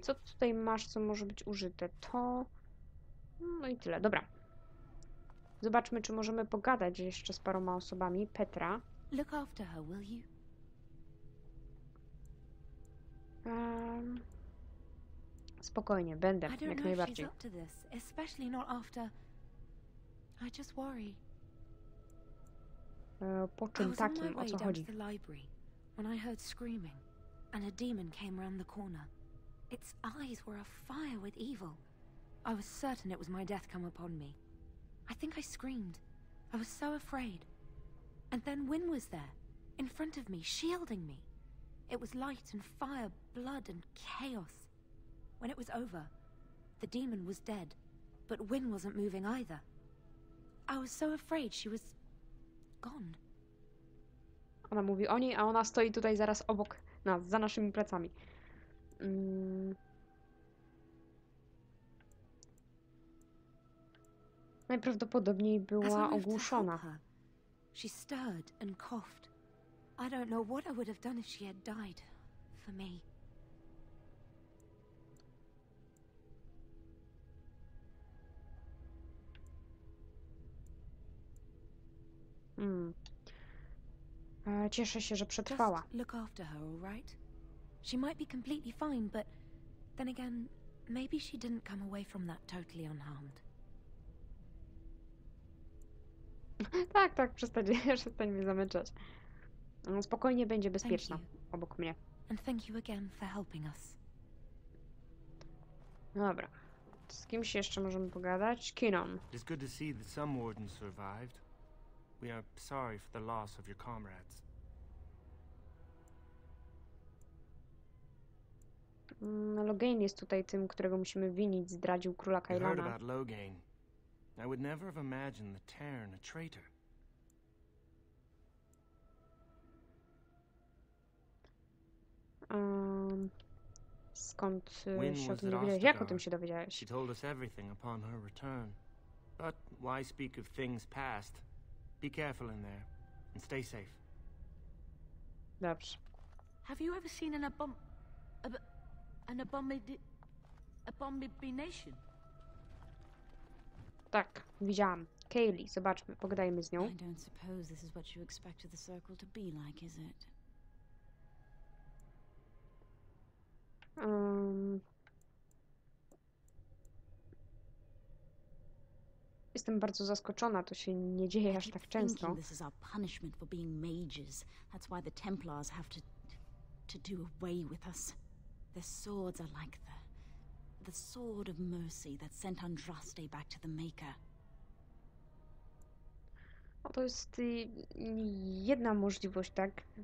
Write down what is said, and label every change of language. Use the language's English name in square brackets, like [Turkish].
[Polish] Co tutaj masz, co może być użyte? To... No i tyle, dobra. Zobaczmy, czy możemy pogadać jeszcze z paroma osobami. Petra. [English] Look after her, will you? [Polish] Spokojnie, będę, jak najbardziej. [English] I don't know if she's up to this, especially not after... I just worry. [Polish] Po czym takim, o co chodzi? [English] I was on my way down to the library, when I heard screaming, and a demon came around the corner. Its eyes were afire with evil. I was certain it was my death come upon me. I think I screamed. I was so afraid. And then Wynn was there, in front of me, shielding me. It was light and fire, blood and chaos. When it was over, the demon was dead, but Wynn wasn't moving either. I was so afraid she was... gone. [Polish] Ona mówi o niej, a ona stoi tutaj zaraz obok nas, za naszymi plecami. Najprawdopodobniej była ogłuszona. [English] She stirred and coughed. I don't know what I would have done if she had died for me. [Polish] Cieszę się, że przetrwała. [English] Just look after her, all right? She might be completely fine, but then again, maybe she didn't come away from that totally unharmed. [Polish] Tak, tak, przestań mnie zamęczać. No, spokojnie, będzie bezpieczna obok mnie. [English] And thank you again for helping us. [Polish] Dobra. Z kimś jeszcze możemy pogadać? Kinon. [English] It's good to see that some wardens survived. We are sorry for the loss of your comrades. [Polish] Loghain jest tutaj tym, którego musimy winić, zdradził króla Kaelana. [English] You heard about Loghain. I would never have imagined the Tarn a traitor. [Polish] Skąd się o tym dowiedziałeś? Jak o tym się dowiedziałeś? [English] She told us everything upon her return. But why speak of things past? Be careful in there and stay safe. [Polish] Dobrze. [English] Have you ever seen an abomination? [Polish] Tak, widziałam. Kaylee, zobaczmy, pogadajmy z nią. [English] I don't suppose this is what you expected the circle to be like, is it? [Polish] Jestem bardzo zaskoczona, to się nie dzieje aż tak często. [English] This is our punishment for being mages. That's why the Templars have to do away with us. Their swords are like the sword of mercy that sent Andraste back to the Maker. [Polish] No to jest jedna możliwość, tak?